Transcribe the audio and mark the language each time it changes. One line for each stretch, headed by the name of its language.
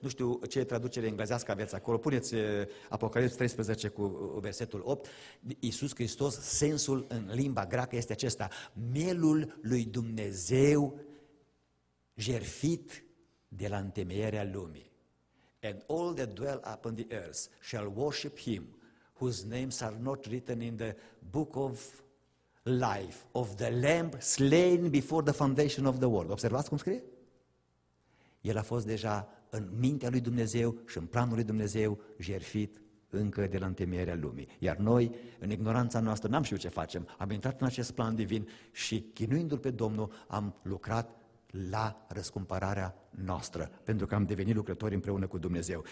Romanian: Nu știu ce traducere englezească aveți acolo. Puneți Apocalipsa 13 cu versetul 8. Iisus Hristos, sensul în limba greacă este acesta. Mielul lui Dumnezeu jerfit de la întemeierea lumii.
English: And all that dwell upon the earth shall worship him whose names are not written in the book of life of the lamb slain before the foundation of the world.
Romanian: Observați cum scrie? El a fost deja în mintea lui Dumnezeu și în planul lui Dumnezeu jertfit încă de la întemeierea lumii. Iar noi, în ignoranța noastră, n-am știut ce facem. Am intrat în acest plan divin și chinuindu-L pe Domnul, am lucrat la răscumpărarea noastră, pentru că am devenit lucrători împreună cu Dumnezeu.